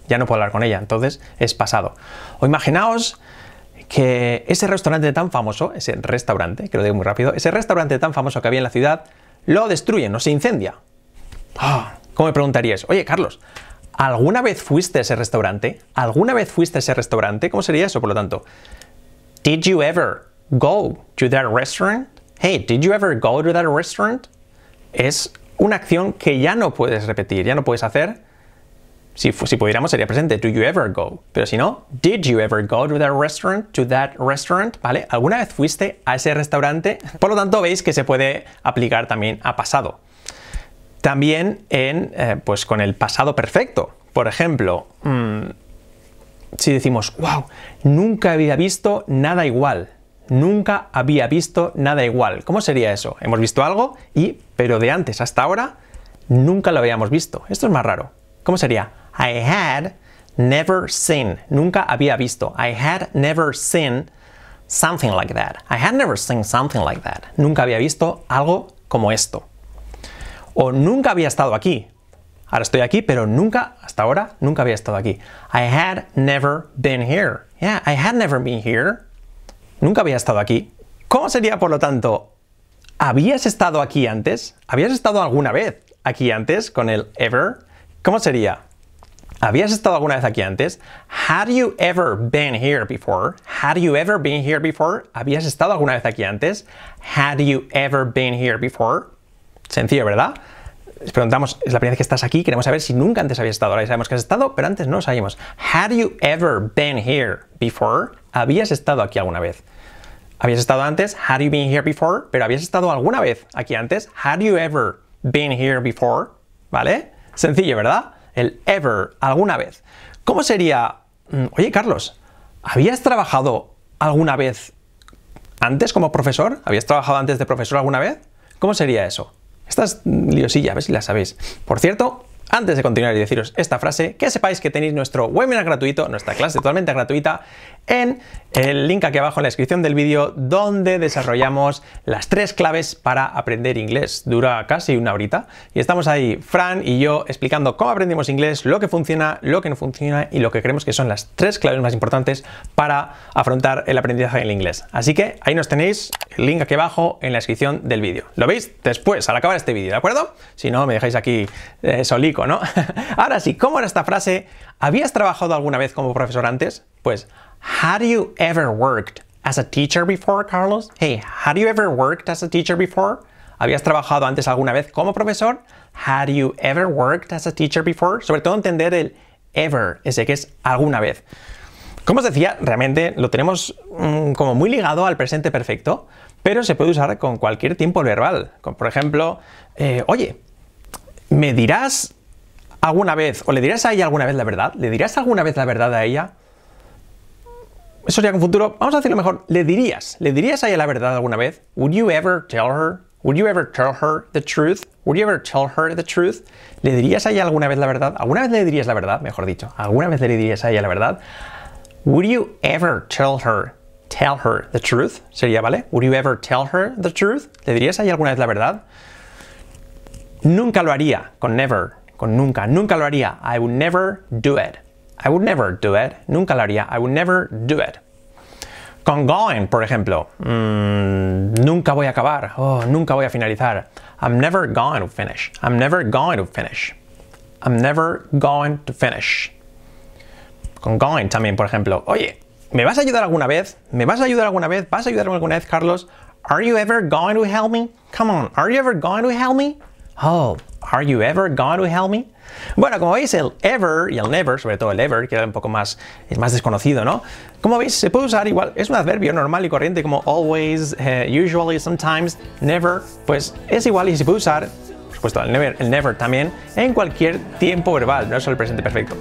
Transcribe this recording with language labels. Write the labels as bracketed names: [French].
[Spanish] Ya no puedo hablar con ella. Entonces, es pasado. O imaginaos que ese restaurante tan famoso, ese restaurante, que lo digo muy rápido, ese restaurante tan famoso que había en la ciudad, lo destruyen o se incendia. Oh, ¿cómo me preguntarías? Oye, Carlos, ¿alguna vez fuiste a ese restaurante? ¿Alguna vez fuiste a ese restaurante? ¿Cómo sería eso, por lo tanto? [English] Did you ever go to that restaurant? Hey, did you ever go to that restaurant? [Spanish] Es una acción que ya no puedes repetir, ya no puedes hacer. Si pudiéramos, sería presente. [English] Do you ever go? [Spanish] Pero si no, [English] did you ever go to that restaurant? To that restaurant? [Spanish] ¿Vale? ¿Alguna vez fuiste a ese restaurante? Por lo tanto, veis que se puede aplicar también a pasado. También en, pues con el pasado perfecto. Por ejemplo, si decimos, wow, nunca había visto nada igual. Nunca había visto nada igual. ¿Cómo sería eso? Hemos visto algo, pero de antes hasta ahora, nunca lo habíamos visto. Esto es más raro. ¿Cómo sería? [English] I had never seen. [Spanish] Nunca había visto. [English] I had never seen something like that. I had never seen something like that. [Spanish] Nunca había visto algo como esto. O nunca había estado aquí. Ahora estoy aquí, pero nunca, hasta ahora, nunca había estado aquí. [English] I had never been here. Yeah, I had never been here. [Spanish] Nunca había estado aquí. ¿Cómo sería, por lo tanto, habías estado aquí antes? ¿Habías estado alguna vez aquí antes con el ever? ¿Cómo sería? ¿Habías estado alguna vez aquí antes? [English] Had you ever been here before? Had you ever been here before? [Spanish] ¿Habías estado alguna vez aquí antes? [English] Had you ever been here before? [Spanish] Sencillo, ¿verdad? Les preguntamos, es la primera vez que estás aquí, queremos saber si nunca antes habías estado. Ahora ya sabemos que has estado, pero antes no lo sabíamos. [English] Had you ever been here before? [Spanish] ¿Habías estado aquí alguna vez? ¿Habías estado antes? [English] Had you been here before? [Spanish] ¿Pero habías estado alguna vez aquí antes? [English] Had you ever been here before? [Spanish] ¿Vale? Sencillo, ¿verdad? El ever, alguna vez. ¿Cómo sería? Oye, Carlos, ¿habías trabajado alguna vez antes como profesor? ¿Habías trabajado antes de profesor alguna vez? ¿Cómo sería eso? Esta es liosilla, a ver si la sabéis. Por cierto, antes de continuar y deciros esta frase, que sepáis que tenéis nuestro webinar gratuito, nuestra clase totalmente gratuita, en el link aquí abajo en la descripción del vídeo, donde desarrollamos las tres claves para aprender inglés. Dura casi una horita. Y estamos ahí, Fran y yo, explicando cómo aprendimos inglés, lo que funciona, lo que no funciona y lo que creemos que son las tres claves más importantes para afrontar el aprendizaje del inglés. Así que ahí nos tenéis, el link aquí abajo en la descripción del vídeo. Lo veis después, al acabar este vídeo, ¿de acuerdo? Si no, me dejáis aquí solico, ¿no? Ahora sí, ¿cómo era esta frase? ¿Habías trabajado alguna vez como profesor antes? Pues, [English] had you ever worked as a teacher before, Carlos? Hey, had you ever worked as a teacher before? [Spanish] ¿Habías trabajado antes alguna vez como profesor? [English] Had you ever worked as a teacher before? [Spanish] Sobre todo entender el ever, ese que es alguna vez. Como os decía, realmente lo tenemos como muy ligado al presente perfecto, pero se puede usar con cualquier tiempo verbal. Como por ejemplo, oye, ¿me dirás alguna vez, o le dirás a ella alguna vez la verdad? ¿Le dirás alguna vez la verdad a ella? Eso sería con futuro. Vamos a decirlo mejor. ¿Le dirías a ella la verdad alguna vez? [English] Would you ever tell her? Would you ever tell her the truth? Would you ever tell her the truth? [Spanish] ¿Le dirías a ella alguna vez la verdad? ¿Alguna vez le dirías la verdad? Mejor dicho, ¿alguna vez le dirías a ella la verdad? [English] Would you ever tell her the truth? [Spanish] Sería, ¿vale? [English] Would you ever tell her the truth? [Spanish] ¿Le dirías a ella alguna vez la verdad? Nunca lo haría, con never, con nunca. Nunca lo haría. [English] I would never do it. I would never do it. Nunca lo haría. I would never do it. [Spanish] Con going, por ejemplo. Nunca voy a acabar. Oh, nunca voy a finalizar. [English] I'm never going to finish. I'm never going to finish. I'm never going to finish. [Spanish] Con going también, por ejemplo. Oye, ¿me vas a ayudar alguna vez? ¿Me vas a ayudar alguna vez? ¿Vas a ayudarme alguna vez, Carlos? [English] Are you ever going to help me? Come on. Are you ever going to help me? Oh, are you ever going to help me? [Spanish] Bueno, como veis, el ever y el never, sobre todo el ever, que era un poco más, es más desconocido, ¿no? Como veis, se puede usar igual, es un adverbio normal y corriente como always, usually, sometimes, never, pues es igual y se puede usar, por supuesto, el never también, en cualquier tiempo verbal, no solo el presente perfecto.